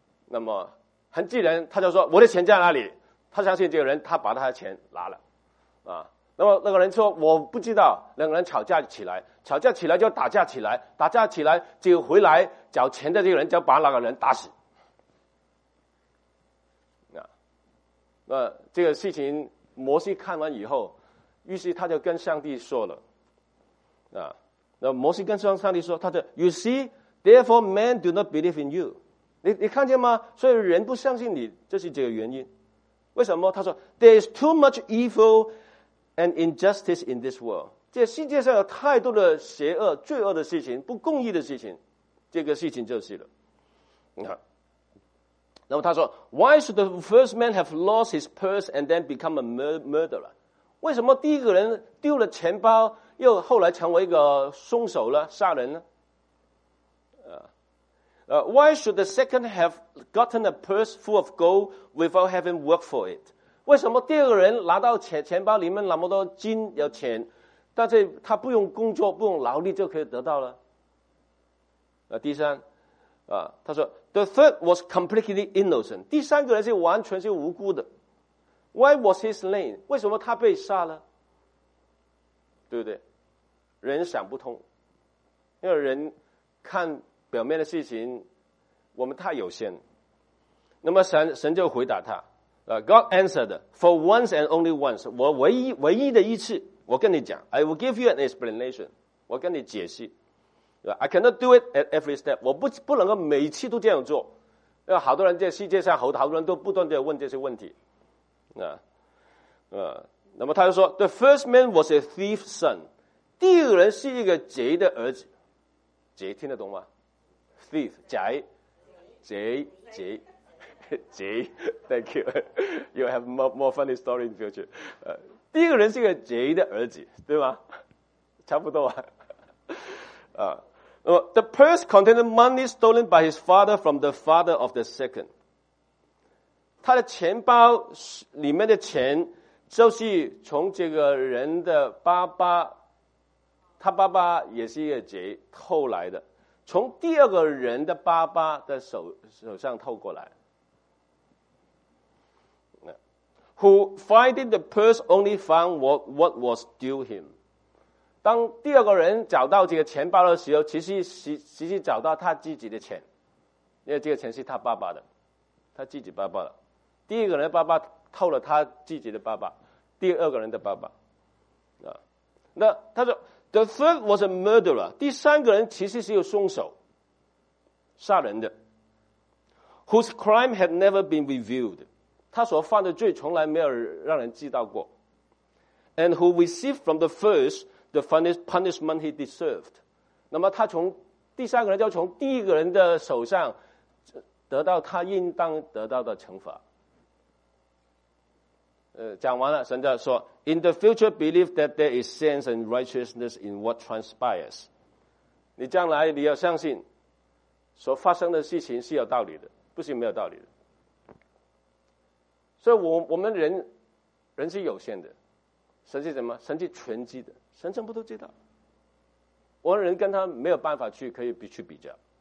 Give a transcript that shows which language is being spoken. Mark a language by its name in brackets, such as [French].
[Chinese] 那么很自然他就说我的钱在哪里，他相信这个人，他把他的钱拿了那么那个人说我不知道，两个人吵架起来就打架起来，就回来找钱的这个人就把那个人打死那这个事情摩西看完以后于是他就跟上帝说了，那摩西跟上帝说，他就 [English] You see, therefore men do not believe in you. [Chinese] 你看见吗？所以人不相信你，这是这个原因。为什么？他说 [English] There is too much evil and injustice in this world. [Chinese] 这世界上有太多的邪恶、罪恶的事情、不公义的事情，这个事情就是了。那么他说 [English] Why should the first man have lost his purse and then become a murderer? [Chinese] 为什么第一个人丢了钱包又后来成为一个凶手了、杀人呢？ [English] Why should the second have gotten a purse full of gold without having worked for it? [Chinese] 为什么第二个人拿到 钱包里面那么多金有钱，但是他不用工作、不用劳力就可以得到了？第三，他说 [English] The third was completely innocent. [Chinese] 第三个人是完全是无辜的。 [English] Why was he slain? [Chinese] 为什么他被杀了？对不对？人想不通，因为人看表面的事情，我们太有限。那么神就回答他 [English] God answered, for once and only once, [Chinese] 我唯一的一次，我跟你讲 [English] I will give you an explanation, [Chinese] 我跟你解释。 [English] I cannot do it at every step. [Chinese] 我不能够每一次都这样做。因为好多人在世界上，好多人都不断地问这些问题。那么他就说 [English] ,The first man was a thief's son. [Chinese] 第二人是一个贼的儿子。贼听得懂吗 ?Thief, 贼。贼。贼。贼。 [English] Thank you. You have more funny story in future. [Chinese] 第二人是一个贼的儿子。对吗？差不多啊。 [English] The purse contained money stolen by his father from the father of the second. [Chinese] 他的钱包里面的钱就是从这个人的爸爸，他爸爸也是一个贼偷来的，从第二个人的爸爸的手上偷过来。 Who finding the purse only found what was due him. 当第二个人找到这个钱包的时候，其实找到他自己的钱，因为这个钱是他爸爸的，他自己爸爸的。第一个人的爸爸偷了他自己的爸爸，第二个人的爸爸。 [English] 那他说 ，the third was a murderer， [Chinese] 第三个人其实是有凶手，杀人的 [English] ，whose crime had never been revealed， [Chinese] 他所犯的罪从来没有让人知道过 [English] ，and who received from the first。 The punishment he deserved. [Chinese] 那么他从第三个人就从第一个人的手上得到他应当得到的惩罚。讲完了，神就说 [English] In the future believe that there is sense and righteousness in what transpires. [Chinese] 你将来你要相信所发生的事情是有道理的，不是没有道理的。所以我们人是有限的，神是什么？神是全知的，神什么都知道，我们人跟他没有办法去可以去比较。